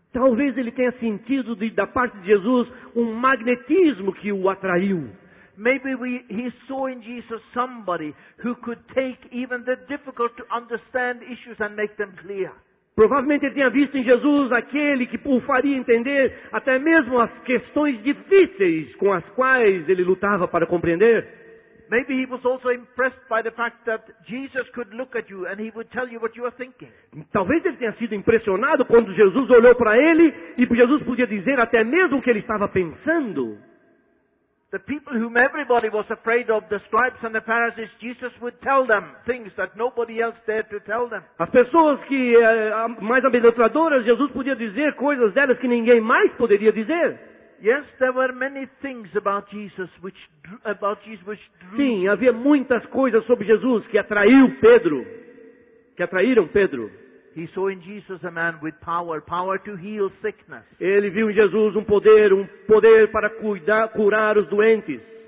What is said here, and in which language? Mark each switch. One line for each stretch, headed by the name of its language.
Portuguese: Talvez ele tenha sentido da parte de Jesus um magnetismo que o atraiu.
English: Maybe he saw in Jesus somebody who could take even the difficult to understand issues and make them clear.
Portuguese: Provavelmente ele tinha visto em Jesus aquele que o faria entender até mesmo as questões difíceis com as quais ele lutava para compreender.
English: Maybe he was also impressed by the fact that Jesus could look at you and he would tell you what you are thinking.
Portuguese: Talvez ele tenha sido impressionado quando Jesus olhou para ele e Jesus podia dizer até mesmo o que ele estava pensando.
English: The people whom everybody was afraid of, the scribes and the Pharisees, Jesus would tell them things that nobody else dared to tell them.
Portuguese: As pessoas que mais amedrontadoras, Jesus podia dizer coisas delas que ninguém mais poderia dizer.
English: Yes, there were many things about Jesus which drew.
Portuguese: Sim, havia muitas coisas sobre Jesus que atraiu Pedro. Que atraíram Pedro.
English: He saw in Jesus a man with power to heal sickness.
Portuguese: Ele viu em Jesus um poder para curar os doentes.